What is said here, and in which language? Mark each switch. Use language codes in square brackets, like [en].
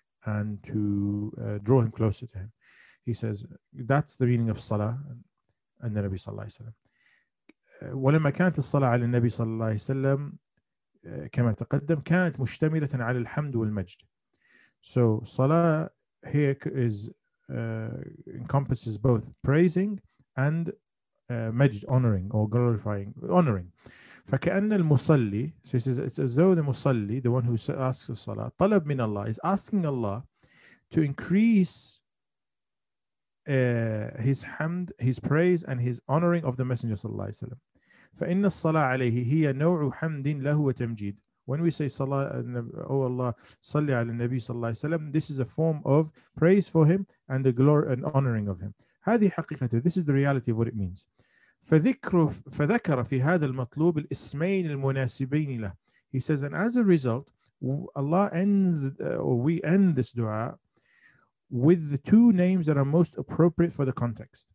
[en] And to draw him closer to him. He says, that's the meaning of salah and the Nabi sallallahu alayhi wa sallam. [ar] ولما كانت الصلاة على النبي صلى الله عليه وسلم كما تقدم كانت مشتملة على الحمد والمجد. [en] So salah here is encompasses both praising and majd, honoring or glorifying, honoring. [ar] فكأن المصلي, [en] so he says, it's as though the مصلي, the one who asks for salah, [ar] طلب من الله, [en] is asking Allah to increase his hamd, his praise, and his honoring of the Messenger صلى الله عليه وسلم. [ar] فإن الصلاة عليه هي نوع حمد له وتمجيد. [en] When we say salah, oh Allah, [ar] صلي على النبي [en] صلى الله عليه وسلم, this is a form of praise for him and the glory and honoring of him. [ar] هذه حقيقته. [en] This is the reality of what it means. [ar] فذكر في هذا المطلوب الاسمين المناسبين له. [en] He says, and as a result, Allah ends, or we end this dua with the two names that are most appropriate for the context.